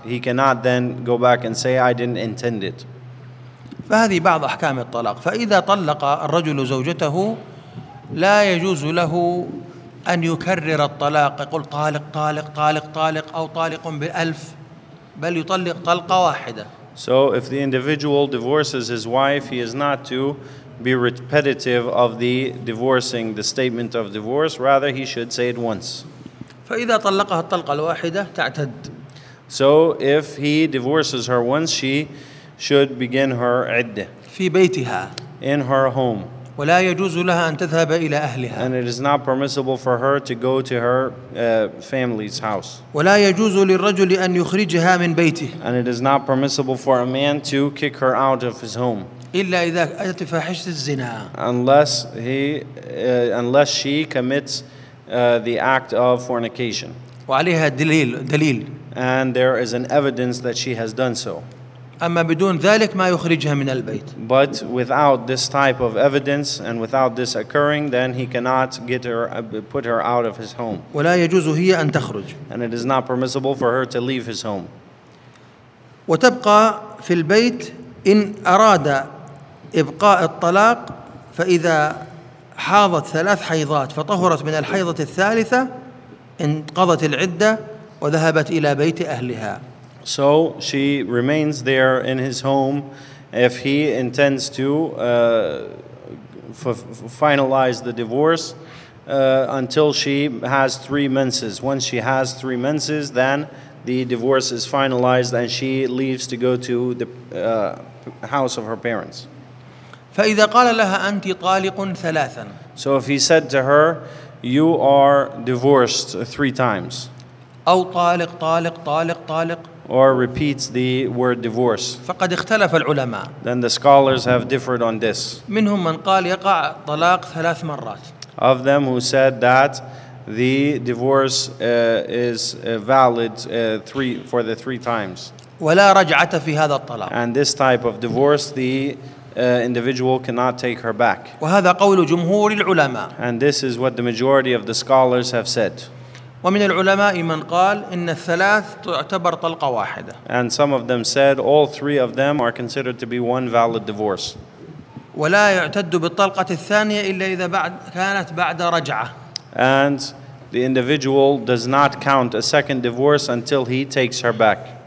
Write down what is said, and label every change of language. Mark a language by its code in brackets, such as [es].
[en] He cannot then go back and say I didn't intend it. [ar] فهذه بعض أحكام الطلاق فإذا طلق الرجل زوجته لا يجوز له أن يكرر الطلاق يقول طالق طالق طالق طالق أو طالق بالألف بل يطلق طلقة واحدة [en] So if the individual divorces his wife he is not to be repetitive of the divorcing the statement of divorce rather he should say it once [ar] فإذا طلقها الطلقة الواحدة تعتد [en] So if he divorces her once she should begin her iddah [ar] في بيتها [en] in her home [ar] ولا يجوز لها ان تذهب الى اهلها [en] and it is not permissible for her to go to her family's house [ar] ولا يجوز للرجل ان يخرجها من بيته [en] and it is not permissible for a man to kick her out of his home [ar] الا اذا اتت فاحشه الزنا [en] unless she commits the act of fornication [ar] وعليها دليل [en] and there is an evidence that she has done so [ar] أما بدون ذلك ما يخرجها من البيت. [en] But without this type of evidence and without this occurring, then he cannot get her, put her out of his home. [ar] ولا يجوز هي أن تخرج. [en] And it is not permissible for her to leave his home. [ar] وتبقى في البيت إن أراد إبقاء الطلاق فإذا حاضت ثلاث حيضات فطهرت من الحيضة الثالثة انقضت العدة وذهبت إلى بيت أهلها. [en] So she remains there in his home if he intends to finalize the divorce until she has three menses. Once she has three menses, then the divorce is finalized and she leaves to go to the house of her parents. [ar] فإذا قال لها أنت طالق ثلاثا. [en] So if he said to her, you are divorced three times. [ar] أو طالق طالق طالق طالق [en] or repeats the word divorce. [ar] فقد اختلف العلماء. [en] Then the scholars have differed on this. [ar] منهم من قال يقع طلاق ثلاث مرات. [en] Of them who said that the divorce is valid for the three times. [ar] ولا رجعة في هذا الطلاق. [en] And this type of divorce, the individual cannot take her back. [ar] وهذا قول جمهور العلماء. [en] And this is what the majority of the scholars have said. [ar] ومن العلماء من قال إن الثلاث تعتبر طلقة واحدة. [en] And some of them said all three of them are considered to be one valid divorce. [ar] ولا يعتد بالطلقة الثانية إلا إذا بعد كانت بعد رجعة. [en] And the individual does not count a second divorce until he takes her back.